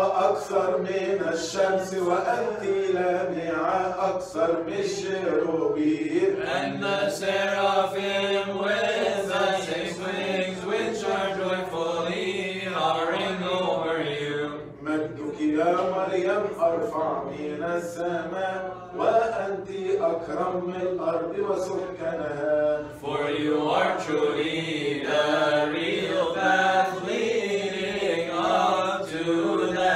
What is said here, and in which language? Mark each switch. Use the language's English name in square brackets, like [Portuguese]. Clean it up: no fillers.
[Arabic] أكثر من الشمس وأنت لامعة أكثر من الشيروبيم. [English] And the seraphim with the six wings which are joyfully hovering over you. [Arabic] مجدك يا مريم أرفع من السماء وأنت أكرم من الأرض وسكنها. [English] For you are truly the real path leading up to